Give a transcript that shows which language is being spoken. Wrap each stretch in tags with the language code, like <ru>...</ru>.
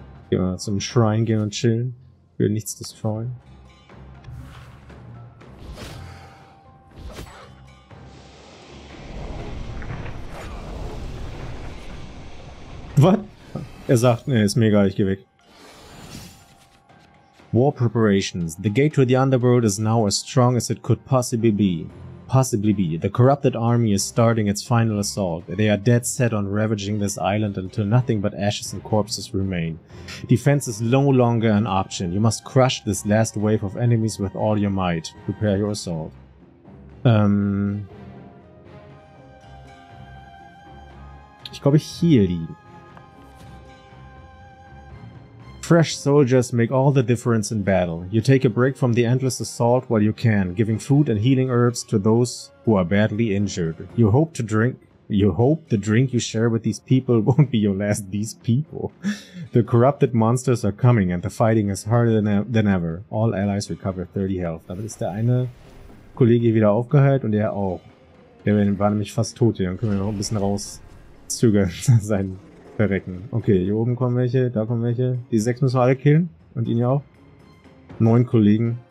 <de>Gehen wir zum Shrine gehen und chillen. Ich will nichts destroyen. Was? Er sagt, nee, ist mir egal, ich geh weg.</de> <en>War preparations. The gate to the underworld is now as strong as it could possibly be. The corrupted army is starting its final assault. They are dead set on ravaging this island until nothing but ashes and corpses remain. Defense is no longer an option. You must crush this last wave of enemies with all your might. Prepare your assault.</en> <de>Ich glaube, ich heal ihn.</de> <en>Fresh soldiers make all the difference in battle. You take a break from the endless assault while you can, giving food and healing herbs to those who are badly injured. You hope the drink you share with these people won't be your last. These people. The corrupted monsters are coming and the fighting is harder than ever. All allies recover 30 health.</en> <de>Damit ist der eine Kollege wieder aufgeheilt und er auch. Der war nämlich fast tot hier. Dann können wir noch ein bisschen rauszögern sein. Verrecken. Okay, hier oben kommen welche, da kommen welche. Die 6 müssen wir alle killen. Und ihn ja auch. 9 Kollegen.</de>